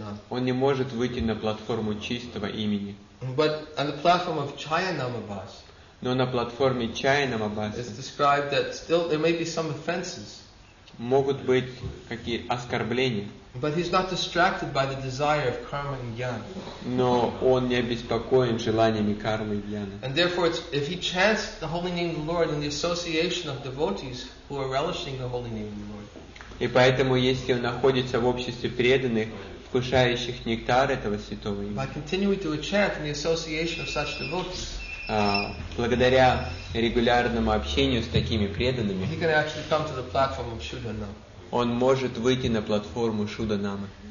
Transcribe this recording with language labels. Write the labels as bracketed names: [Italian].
[Russian] Он не может выйти на платформу чистого имени. Но на платформе Чая Намабхаса могут быть какие оскорбления. [English] But he's not distracted by the desire of karma and jnana. [Russian] Но он не обеспокоен желаниями кармы и гьяны. [English] And therefore, if he chants the holy name of the Lord in the association of devotees who are relishing the holy name of the Lord. [Russian] И поэтому, если он находится в обществе преданных, вкушающих нектар этого святого имени. [English] By continuing to chant in the association of such devotees. [Russian] Благодаря регулярному общению с такими преданными, [English] he can actually come to the platform of Shudhana. [Russian] Он может выйти на платформу Шуданамы.